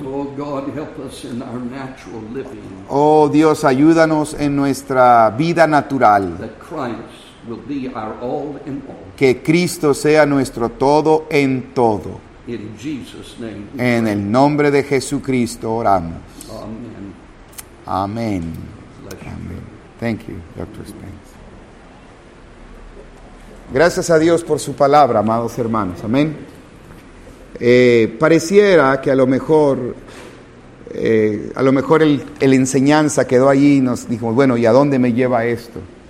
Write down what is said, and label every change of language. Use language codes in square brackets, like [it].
[en] Oh, God, help us in our natural living. [es] Oh Dios, ayúdanos en nuestra vida natural. [en] That Christ will be our all in all. [es] Que Cristo sea nuestro todo en todo. [en] In Jesus' name. [es] En el nombre de Jesucristo oramos. Amén. [en] Amén. Thank you, Dr. Spence. [es] Gracias a Dios por su palabra, amados hermanos. Amén. Pareciera que a lo mejor el enseñanza quedó allí y nos dijimos, bueno, ¿y a dónde me lleva esto?